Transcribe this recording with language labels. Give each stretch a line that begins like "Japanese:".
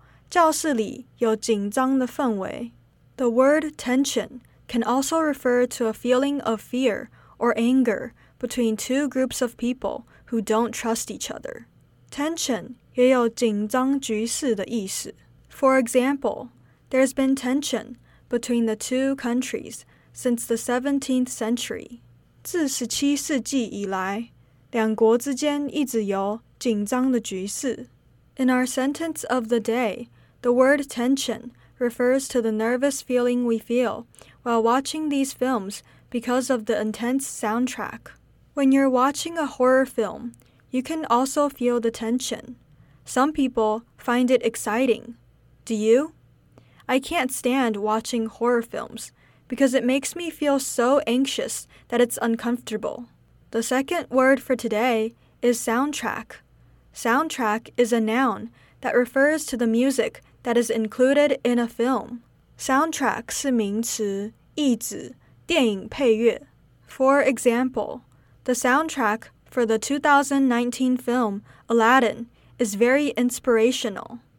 Chinese: 学生准备考试的时候,教室里有紧张的氛围.
English: The word tension can also refer to a feeling of fear or anger between two groups of people who don't trust each other.
Chinese: Tension 也有紧张局势的意思.
English: For example, there's been tension between the two countries since the 17th century.
Chinese: 自17世纪以来,两国之间一直有紧张的局势.
English: In our sentence of the day, the word tension refers to the nervous feeling we feel while watching these films because of the intense soundtrack. When you're watching a horror film, you can also feel the tension. Some people find it exciting. Do you? I can't stand watching horror films because it makes me feel so anxious that it's uncomfortable. The second word for today is soundtrack. Soundtrack is a noun that refers to the music that is included in a film.
Chinese: Soundtrack 是名词,意指电影配乐.
English: For example, the soundtrack for the 2019 film Aladdin is very inspirational.